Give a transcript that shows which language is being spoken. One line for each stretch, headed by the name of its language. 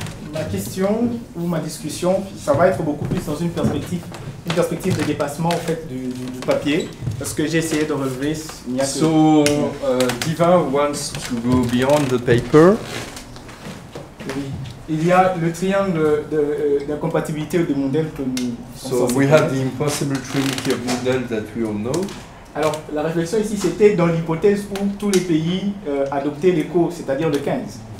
French: Ma question ou ma discussion, ça va être beaucoup plus dans une perspective de dépassement en fait du papier, parce que j'ai essayé de relever.
English: So Divin wants to go beyond the paper.
French: Oui. Il y a le triangle d'incompatibilité de modèle que nous.
English: So we have the impossible trinity of model that we all know.
French: Alors la réflexion ici c'était dans l'hypothèse où tous les pays adoptaient l'éco, c'est-à-dire le 15.